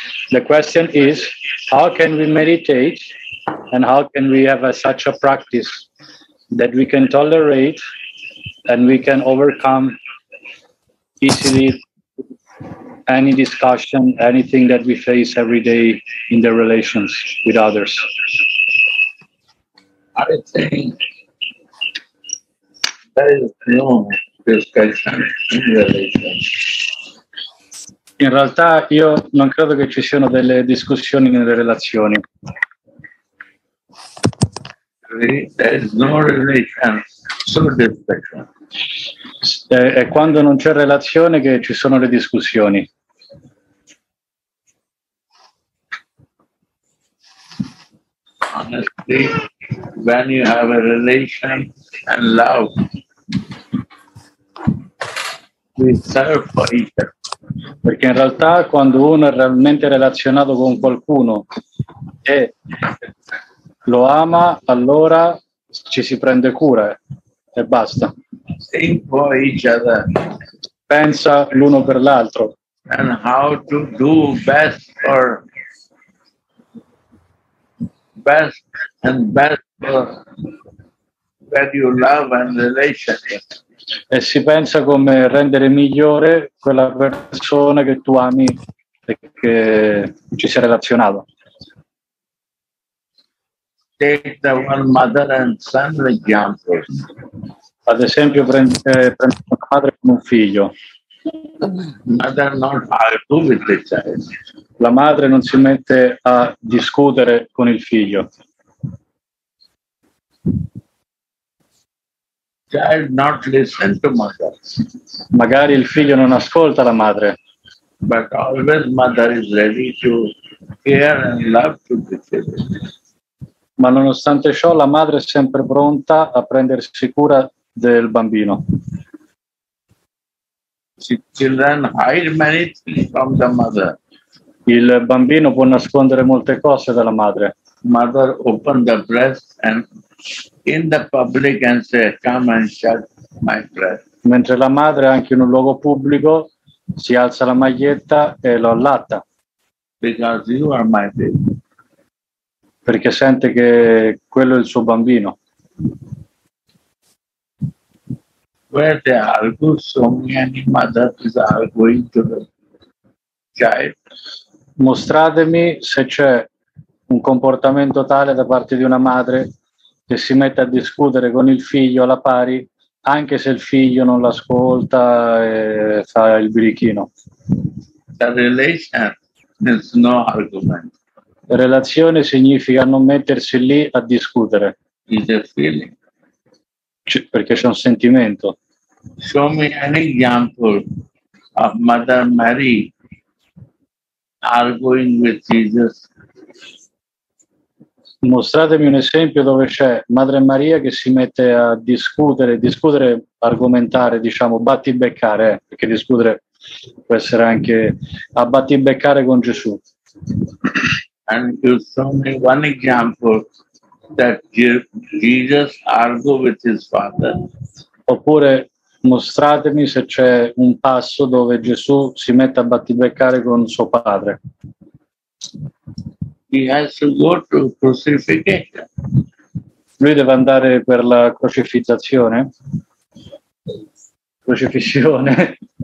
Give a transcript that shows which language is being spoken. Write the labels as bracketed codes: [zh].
[en] The question is, how can we meditate and how can we have such a practice that we can tolerate and we can overcome easily any discussion, anything that we face every day in the relations with others? I think there is no discussion in relations. [it] In realtà io non credo che ci siano delle discussioni nelle relazioni. [en] There is no relation, solo discussion. [it] È quando non c'è relazione che ci sono le discussioni. [en] Honestly, when you have a relation and love, we serve for each other. [it] Perché in realtà quando uno è realmente relazionato con qualcuno e lo ama, allora ci si prende cura e basta. [en] Think for each other. [it] Pensa l'uno per l'altro. [en] And how to do best for best and best for that you love and relationship. [it] E si pensa come rendere migliore quella persona che tu ami e che ci sei relazionato. [en] Take the one mother and son example. [it] Ad esempio prendi una madre con un figlio. [en] Mother not argue with the child. [it] La madre non si mette a discutere con il figlio. [en] Child not listen to mother. [it] Magari il figlio non ascolta la madre. [en] But always mother is ready to care and love to the children. [it] Ma nonostante ciò la madre è sempre pronta a prendersi cura del bambino. [en] The children hide many things from the mother. [it] Il bambino può nascondere molte cose dalla madre. [en] Mother open the breast and in the public and say, come and shut my breast. [it] Mentre la madre anche in un luogo pubblico si alza la maglietta e lo allatta. [en] Because you are my baby. [it] Perché sente che quello è il suo bambino. [en] Where they argue, so many mothers are going to the child. [it] Mostratemi se c'è un comportamento tale da parte di una madre che si mette a discutere con il figlio alla pari, anche se il figlio non l'ascolta e fa il birichino. [en] The relation is no argument. [it] Relazione significa non mettersi lì a discutere. [en] It's a feeling. [it] Perché c'è un sentimento. [en] Show me an example of Mother Mary arguing with Jesus. [it] Mostratemi un esempio dove c'è Madre Maria che si mette a discutere, argomentare, diciamo, battibeccare, perché discutere può essere anche a battibeccare con Gesù. [en] And you show me one example that Jesus argued with his father. [it] Oppure mostratemi se c'è un passo dove Gesù si mette a battibeccare con suo padre. [en] He has to go to crucifixion. [it] Lui deve andare per la crocifissione. Crocifissione.